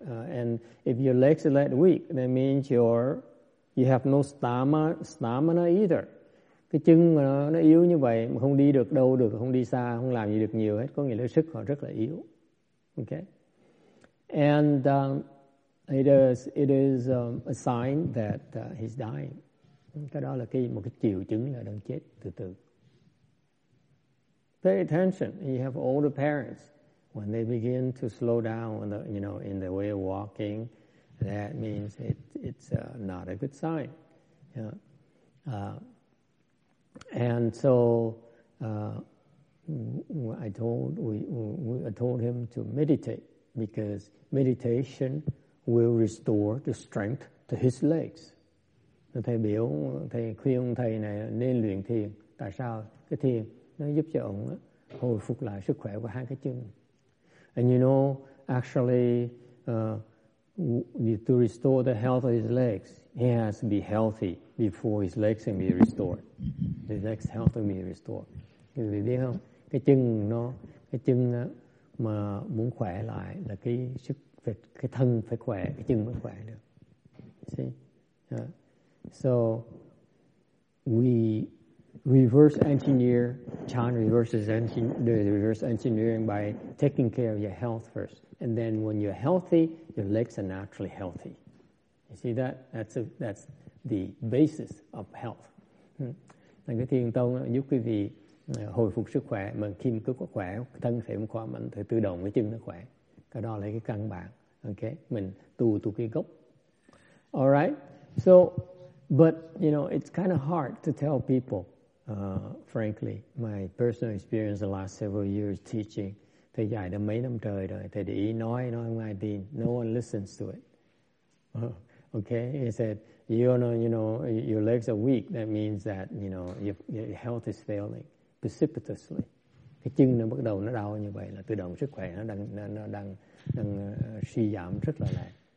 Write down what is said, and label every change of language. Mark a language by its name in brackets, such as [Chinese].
[English] And if your legs are that weak, that means you have no stamina either. [Vietnamese] Cái chân nó yếu như vậy mà không đi được đâu được, không đi xa, không làm gì được nhiều hết. Có nghĩa là sức họ rất là yếu. [English] Okay. And it is a sign that he's dying. [Vietnamese] Cái đó là một cái triệu chứng là đang chết từ từ. [English] Pay attention. You have older parents. when they begin to slow down, you know, in the way of walking, that means it's not a good sign. And so I told him to meditate, because meditation will restore the strength to his legs. [Vietnamese] Thầy biểu, thầy khuyên ông thầy này nên luyện thiền. Tại sao? Cái thiền nó giúp cho ông hồi phục lại sức khỏe của hai cái chân. [English] And you know, actually, to restore the health of his legs, he has to be healthy before his legs can be restored. His legs health can be restored. [Vietnamese] Thầy biết không? Cái chân mà muốn khỏe lại là cái sức, cái thân phải khỏe, cái chân mới khỏe được. [English] So we reverse engineer, China reverses reverse engineering by taking care of your health first. And then when you're healthy, your legs are naturally healthy. You see that? That's the basis of health. [Vietnamese] Thành cái thiền tông giúp quý vị hồi phục sức khỏe, mà khi mà cứ có khỏe, thân thể cũng khỏe mạnh, thì tự động cái chân nó khỏe. Cái đó là cái căn bản. Okay? Mình tu cái gốc. [English] All right? So, but, you know, it's kind of hard to tell people, frankly, my personal experience the last several years teaching. [Vietnamese] Thầy dạy đã mấy năm trời rồi. Thầy để ý nói không ai tin. [English] No one listens to it. Okay? He said, you know, your legs are weak. That means that, you know, your health is failing precipitously. [Vietnamese] Cái chân nó bắt đầu nó đau như vậy là tự động sức khỏe nó đang suy giảm rất là lẹ.